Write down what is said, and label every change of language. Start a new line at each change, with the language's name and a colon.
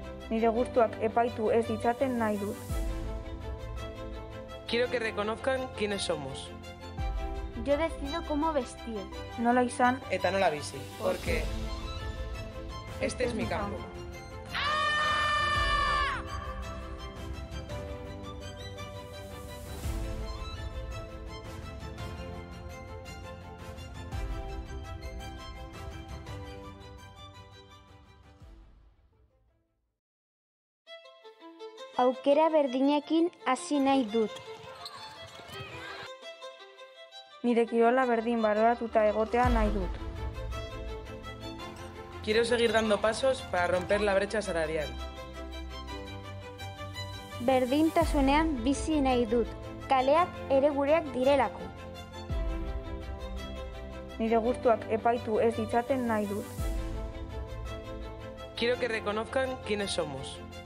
Basque: Nire gustuak epaitu ez ditzaten nahi dut.
Spanish: Quiero que reconozcan quiénes somos. Yo decido cómo vestir.
Basque: Nola izan eta nola bizi,
Spanish: porque este es mi campo.
Basque: Aukera berdinekin hasi nahi dut. Nire kirola berdin baloratuta egotea nahi dut.
Spanish: Quiero seguir dando pasos para romper la brecha salarial.
Basque: Berdintasunean bizi nahi dut, kaleak ere gureak direlako. Nire gustuak epaitu ez ditzaten nahi dut.
Spanish: Quiero que reconozcan quiénes somos.